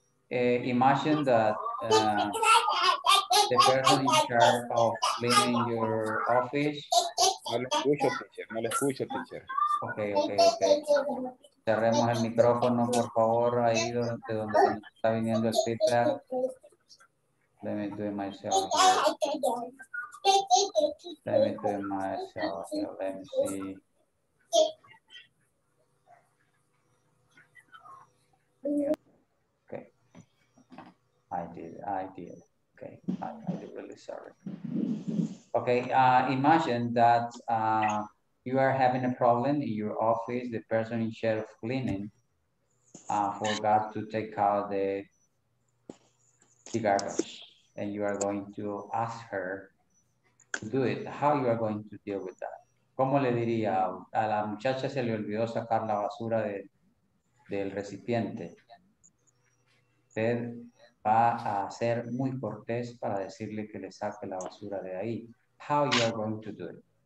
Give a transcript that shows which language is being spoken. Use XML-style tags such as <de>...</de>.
<en>Imagine that the person in charge of cleaning your office.</en> <es>No le escucho, teacher. No le escucho, teacher.</es> <en>Okay.</en> <es>Cerremos el micrófono, por favor, ahí donde, donde está viniendo el feedback.</es> <en>Let me do it myself. Let me do it myself. Let me see. Okay. I did. Okay. I'm really sorry. Okay. Imagine that you are having a problem in your office. The person in charge of cleaning forgot to take out the garbage, and you are going to ask her to do it. How you are going to deal with that?</en> <es>¿Cómo le diría a la muchacha se le olvidó sacar la basura de, del recipiente? Usted va a ser muy cortés para decirle que le saque la basura de ahí.</es> <en>How you are going to do it?</en>